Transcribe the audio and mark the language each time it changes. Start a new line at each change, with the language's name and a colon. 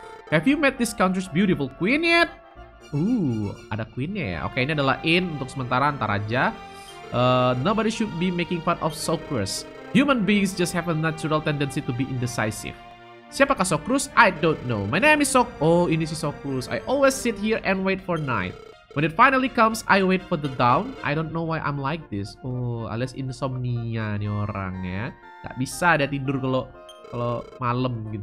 English: Have you met this country's beautiful queen yet?
Indonesian: Ada queennya ya. Oke, ini adalah in untuk sementara, ntar aja.
English: Nobody should be making fun of Socrates. Human beings just have a natural tendency to be indecisive.
Indonesian: Siapakah Socrates?
English: I don't know. My name is Socrates.
Indonesian: Oh, ini si Socrates.
English: I always sit here and wait for night. When it finally comes, I wait for the dawn. I don't know why I'm like this.
Indonesian: Oh, alias insomnia nih orang ya. Gak bisa dia tidur kalau malam gitu.